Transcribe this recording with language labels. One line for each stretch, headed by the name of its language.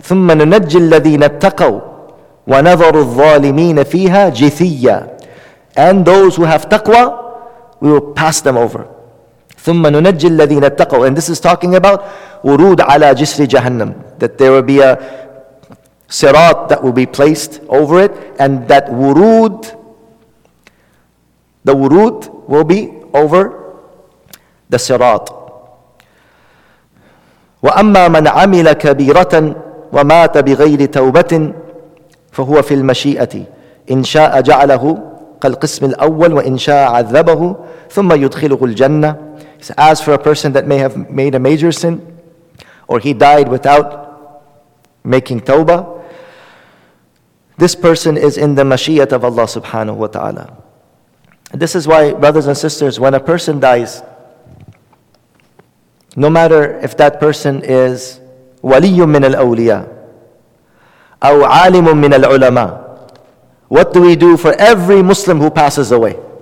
Arabic: ثم ننجي الذين اتقوا ونذر الظالمين فيها جثيا.
English: And those who have taqwa, we will pass them over.
Arabic: ثم ننجي الذين اتقوا.
English: And this is talking about
Arabic: ورود على جسر جهنم,
English: that there will be a sirat that will be placed over it, and that ورود, the ورود will be over the sirat.
Arabic: وأما من عمل كبيرة ومات بغير توبة فهو في المشيئة إن شاء جعله كالقسم الأول وإن شاء عذبه ثم يدخله الجنة.
English: As for a person that may have made a major sin, or he died without making tawbah, this person is in the mashiyat of Allah subhanahu wa ta'ala. And this is why, brothers and sisters, when a person dies, no matter if that person is
Arabic: waliyyun min al-awliya, aw alimun min al-ulama,
English: what do we do for every Muslim who passes away?